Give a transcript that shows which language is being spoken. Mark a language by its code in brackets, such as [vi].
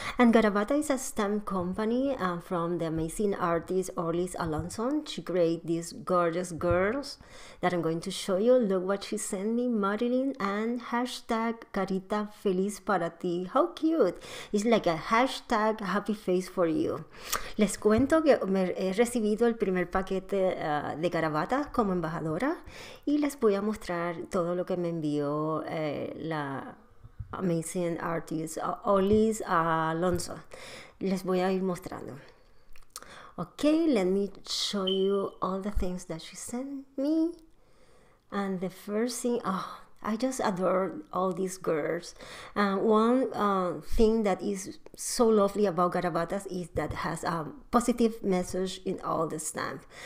[en] And Garabattas is a stamp company from the amazing artist Orlis Alonso. She created these gorgeous girls that I'm going to show you. Look what she sent me, Marilyn, and hashtag [es] carita feliz para ti. [en] How cute! It's like a hashtag happy face for you. [es] Les cuento que me he recibido el primer paquete de Garabattas como embajadora y les voy a mostrar todo lo que me envió la [en] amazing artist [es] Orlis Alonso. Les voy a ir mostrando. [en] Okay, let me show you all the things that she sent me. And the first thing, oh, I just adore all these girls. One thing that is so lovely about Garabattas is that has a positive message in all the stamp.